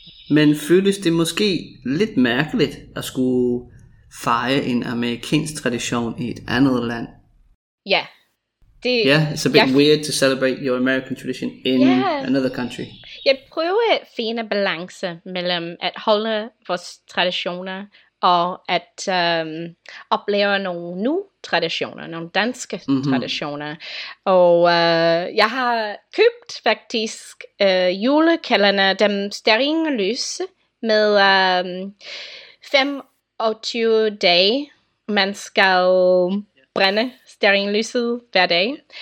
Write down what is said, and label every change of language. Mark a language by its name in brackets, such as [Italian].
[Danish] Men føles det måske lidt mærkeligt at skulle feje en amerikansk tradition i et andet land? Ja. [English] Yeah. Yeah, it's a bit weird to celebrate your American tradition in another country. [Danish] Jeg prøver at finde balance mellem at holde vores traditioner og at opleve nogle nye traditioner, nogle danske traditioner. Og jeg har købt faktisk julekalender, dem stærringer lys, med 25 dage, man skal brænde stærringlyset hver dag.